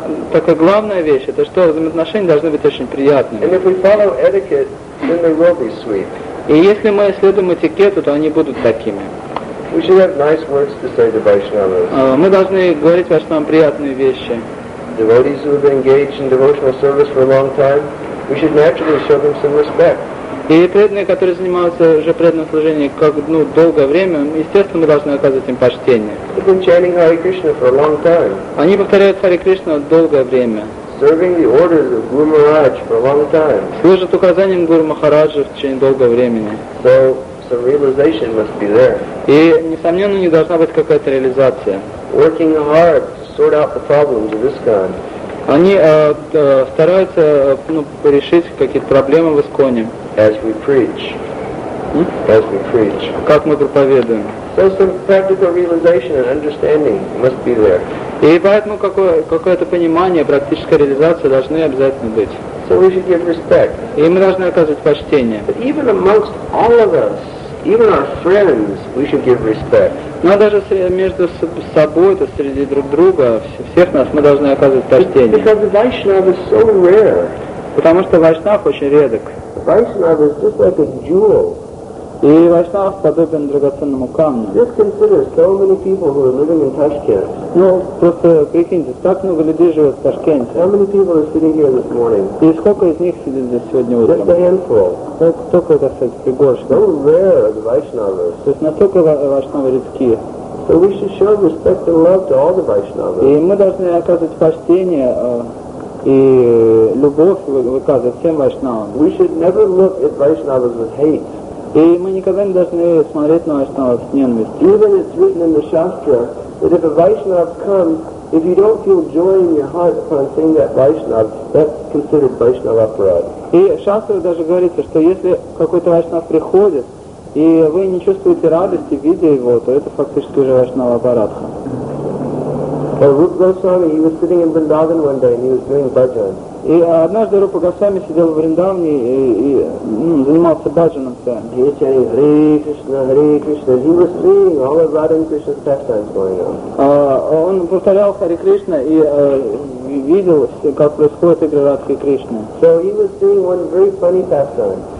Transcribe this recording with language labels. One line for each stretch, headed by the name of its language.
Russian: Такая главная вещь, это что взаимоотношения должны быть очень приятными. И если мы следуем этикету, то они будут такими.
English: We should have nice words to say to Vaishnavas.
Russian: Мы должны говорить Вашнавам приятные вещи.
English: Devotees who have been engaged in devotional service for a long time, we should naturally show them some respect.
Russian: И преданные, которые занимаются уже преданным служением как долгое время, естественно, мы должны оказывать им почтение.
English: They've been chanting Hare Krishna for a long time.
Russian: Они повторяют Харе Кришна долгое время.
English: Serving the orders of Guru Maharaj for a long time.
Russian: Служат указаниям Гуру Махараджа в течение долгого времени.
English: So some realization must be there.
Russian: И, несомненно, у них должна быть какая-то реализация.
English: Working hard to sort out the problems of this kind.
Russian: Они стараются решить какие-то проблемы в Исконе.
English: As we preach. As we preach.
Russian: Как мы проповедуем.
English: So some practical realization and understanding must be there.
Russian: И поэтому какое-то понимание, практическая реализация должны обязательно быть.
English: So we should give respect.
Russian: И мы должны оказывать почтение.
English: But even amongst all of us, even our friends, we should give respect.
Russian: Но даже между собой, то среди друг друга, всех нас мы должны оказывать почтение.
English: Because Vaishnava is so rare.
Russian: Потому что Вайшнав очень редок.
English: Vaishnava is just like a jewel.
Russian: И Вайшнав подобен драгоценному камню.
English: Just consider so many people who are living in Tashkent.
Russian: Ну, просто прикиньте, так много людей живет в Ташкенте.
English: How many people are sitting here this morning?
Russian: И сколько из них сидит здесь сегодня утром?
English: Just a handful.
Russian: Только, так сказать, пригоршня.
English: So rare are the Vaishnavas.
Russian: То есть настолько Вайшнавы редки.
English: So we should show respect and love to all the Vaishnavas.
Russian: И мы должны оказывать почтение и любовь выказывает всем Вайшнавам.
English: We should never look at Vaishnavas with hate.
Russian: И мы никогда не должны смотреть на Вайшнавов с ненавистью.
English: Even it's written in the Shastra that if a Vaishnav comes, if you don't feel joy in your heart upon seeing that Vaishnav, that's considered Vaishnava aparad.
Russian: И в Шастре даже говорится, что если какой-то Вайшнав приходит, и вы не чувствуете радости, видя его, то это фактически уже Вайшнава апарадха.
English: Rupa Goswami, he was sitting in Vrindavan one day and he was doing bhajan.
Russian: И однажды Рупа Госвами сидел в Вриндавне и занимался бхаджаном.
English: He was chanting Hare Krishna, Hare Krishna. He was seeing all of Radha and Krishna's pastimes going on.
Russian: Он повторял Hare Krishna и видел, как происходит игры Радхи Кришны.
English: So he was seeing one very funny pastime.